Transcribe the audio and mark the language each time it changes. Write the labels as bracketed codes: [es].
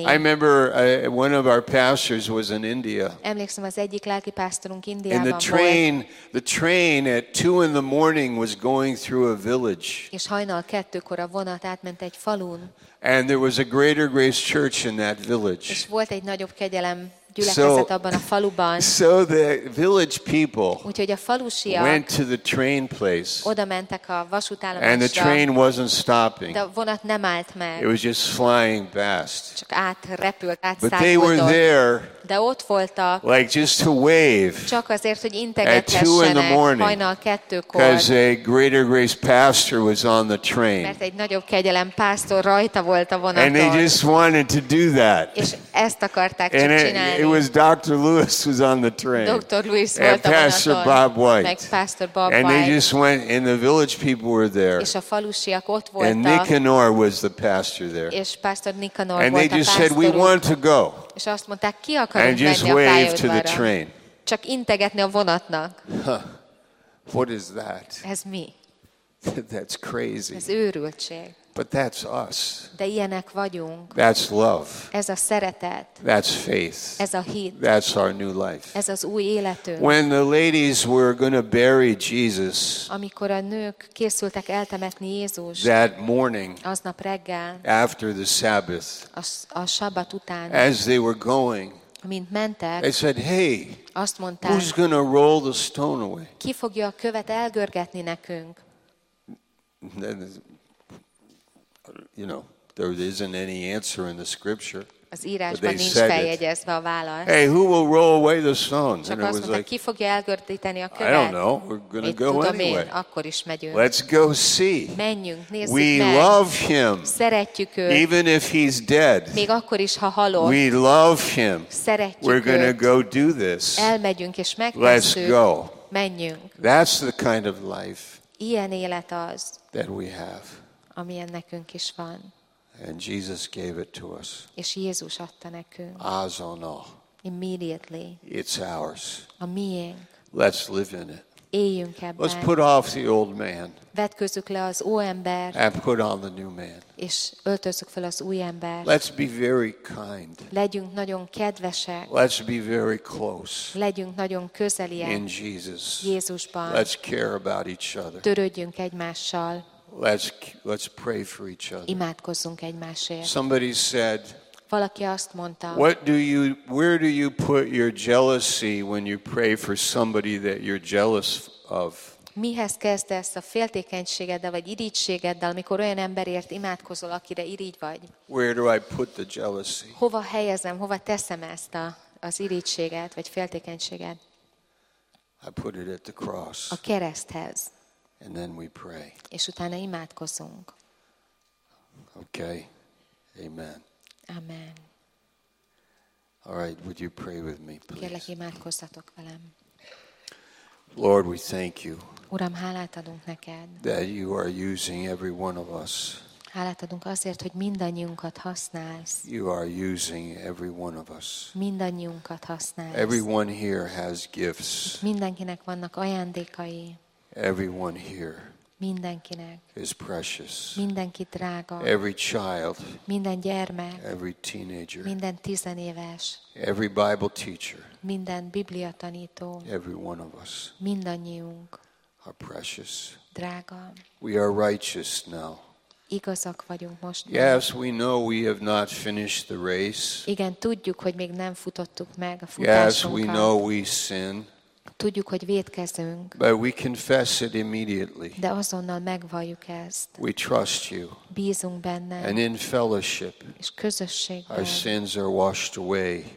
[en] I remember one of our pastors was in India. [hu] Emlékszem, az egyik lelki pásztorunk Indiában volt. [en] And the train at 2 in the morning was going through a village. [hu] És hajnal 2-kor a vonat átment egy falun. [en] And there was a Greater Grace Church in that village. [hu] És volt egy nagyobb kegyelem gyülekezet abban a faluban. [en] So the village people. [hu] Úgyhogy a falusiak. [en] Went to the train place. [hu] Oda mentek a vasútállomásra. [en] And the train wasn't stopping. [hu] De a vonat nem állt meg. [en] It was just flying past. [hu] Csak átrepült, átszágódott. [en] But they were there. [hu] De ott voltak. [en] Like just to wave. [hu] Csak azért, hogy integetessenek. Hajnal kettőkor. [en] Because a greater grace pastor was on the train. [hu] Mert egy nagyobb kegyelem pásztor rajta volt a vonaton. [en] And they just wanted to do that. [hu] És ezt akarták and csak csinálni. [en] It was Dr. Lewis was on the train. [hu] Dr. Lewis volt a vonaton. [en] Pastor Bob White. [hu] Meg Pastor Bob White. [en] And they just went, and the village people were there. [hu] És a falusiak ott voltak. [en] And Nicanor was the pastor there. [hu] És Pastor Nicanor and volt a [en] and they just said, we want to go. [hu] És azt mondták, ki akarunk menni a pályaudvára. [en] And just wave to the train. [hu] Csak integetni a vonatnak. [en] What is that? [hu] Ez mi? [en] That's crazy. [hu] Ez őrültség. [en] But that's us. [hu] De ilyenek vagyunk. [en] That's love. [hu] Ez a szeretet. [en] That's faith. [hu] Ez a hit. [en] That's our new life. [hu] Ez az új életünk. [en] When the ladies were going to bury Jesus, [hu] amikor a nők készültek eltemetni Jézust, [en] that morning, [hu] aznap reggel, [en] after the Sabbath, [hu] a sabbat után, [en] as they were going, [hu] mint mentek, [en] they said, hey, [hu] azt mondták, [en] who's going to roll the stone away? [hu] Ki fogja a követ elgörgetni nekünk? [en] You know, there isn't any answer in the scripture. [hu] Az írásban nincs feljegyezve a válasz. [en] Hey, who will roll away the stone? [hu] Csak [en] and it was [hu] mondta, [en] like, [hu] ki fogja elgördíteni a követ? [en] I don't know. We're gonna go [hu] tudom [en] anyway. [hu] Én, akkor is megyünk. [en] Let's go see. [hu] Menjünk, nézzük we meg. [en] Love him. [hu] Szeretjük őt. [en] Even if he's dead. [hu] Még akkor is, ha halott. [en] We love him. [hu] Szeretjük we're őt. [en] Gonna go do this. [hu] Elmegyünk és megtesszük. [en] Let's go. [hu] Menjünk. [en] That's the kind of life. [hu] Ilyen élet az. [en] That we have. [hu] Amilyen nekünk is van. [en] And Jesus gave it to us. [hu] És Jézus adta nekünk. Azonnal. [en] Immediately. It's ours. [hu] A miénk. [en] Let's live in it. [hu] Éljünk ebben. [en] Let's put off the old man. [hu] Vetkőzzük le az új embert. [en] And put on the new man. [hu] És öltözzük fel az új embert. [en] Let's be very kind. [hu] Legyünk nagyon kedvesek. [en] Let's be very close. [hu] Legyünk nagyon közeliek. [en] In Jesus. [hu] Jézusban. [en] Let's care about each other. [hu] Törődjünk egymással. [en] Let's pray for each other. [hu] Imádkozzunk egymásért. [en] Somebody said, [hu] valaki azt mondta, [en] where do you put your jealousy when you pray for somebody that you're jealous of? [hu] Mihez kezdesz a féltékenységeddel vagy irigységeddel, amikor olyan emberért imádkozol, akire irigy vagy? [en] Where do I put the jealousy? [hu] Hova helyezem, hova teszem ezt az irigységet vagy féltékenységet? [en] I put it at the cross. [hu] A kereszthez. [en] And then we pray. [hu] És utána imádkozunk. [en] Okay. Amen. [hu] Amen. [en] All right, would you pray with me, please? [hu] Kérlek, imádkozzatok velem. [en] Lord, we thank you. [hu] Uram, hálát adunk neked. [en] That you are using every one of us. [hu] Hálát adunk azért, hogy mindannyiunkat használsz. [en] You are using every one of us. [hu] Mindannyiunkat használsz. [en] Everyone here has gifts. [hu] Mindenkinek vannak ajándékai. [en] Everyone here [hu] mindenkinek [en] is precious. [hu] Mindenki drága. [en] Every child. [hu] Minden gyermek. [en] Every teenager. [hu] Minden tizenéves. [en] Every Bible teacher. [hu] Minden Biblia tanító. [en] Every one of us. [hu] Mindannyiunk. [en] Are precious. [hu] Drága. [en] We are righteous now. [hu] Igazak vagyunk most. [en] Yes, we know we have not finished the race. [hu] Igen, tudjuk, hogy még nem futottuk meg a futásunkat. [en] Yes, we know we sin. [hu] Tudjuk, hogy vétkezünk. [en] But we confess it immediately. [hu] De azonnal megvalljuk ezt. [en] We trust you. [hu] Bízunk benned. [en] And in fellowship. [hu] És közösségben. [en] Our sins are washed away.